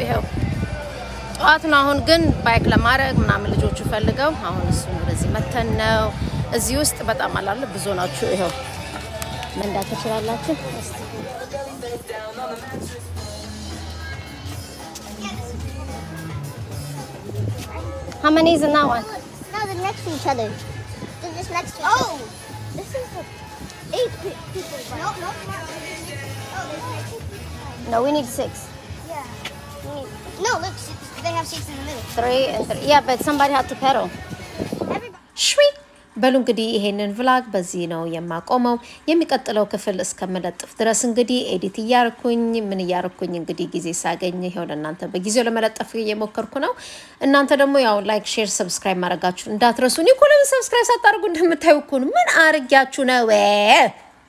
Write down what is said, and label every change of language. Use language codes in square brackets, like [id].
[am] ይሄው ጧት ነው። አሁን ግን ባይክ ለማድረግ ምናምን ልጆቹ ፈልገው አሁን እሱ ወደዚህ መተን ነው። እዚህ ውስጥ በጣም አላለ ብዙ ናችሁ። ይሄው መንዳት ትችላላችሁ። [en] How many is in that one? No, the next to each other. This next to each other. Oh! This is the eight people. Right? No, no, no. Oh, there's next to each other. No, we need six. Yeah. No, look, they have six in the middle. Three. Yeah, but somebody had to pedal. Shwee! [am] በሉ እንግዲህ ይሄንን ቪላግ በዚህ ነው የማቆመው። የሚቀጥለው ክፍል እስከመለጥፍ ድረስ እንግዲህ ኤዲት ያርኩኝ ምን ያርኩኝ እንግዲህ ጊዜ ሳገኝ ይሄው ለእናንተ በጊዜው ለመለጠፍ እየሞከርኩ ነው። እናንተ ደግሞ ያው ላይክ ሼር ሰብስክራይብ ማድረጋችሁ እንዳትረሱ። ኒኮለም ሰብስክራይብ ሳታርጉ እንደምታዩኩን ምን አርጋችሁ ነው ወይ?